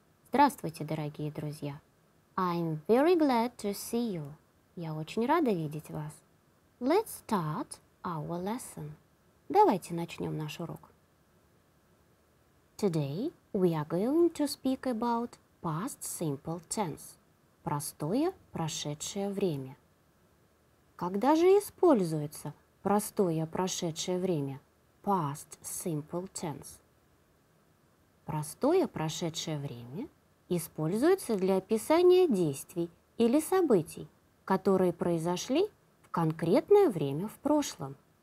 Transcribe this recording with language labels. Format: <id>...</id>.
<ru>Здравствуйте, дорогие друзья.</ru> <en>I'm very glad to see you.</en> <ru>Я очень рада видеть вас.</ru> <en>Let's start our lesson.</en> <ru>Давайте начнем наш урок.</ru> <en>Today we are going to speak about past simple tense.</en> <ru>Простое прошедшее время. Когда же используется простое прошедшее время?</ru> <en>Past simple tense.</en> <ru>Простое прошедшее время используется для описания действий или событий, которые произошли в конкретное время в прошлом.</ru>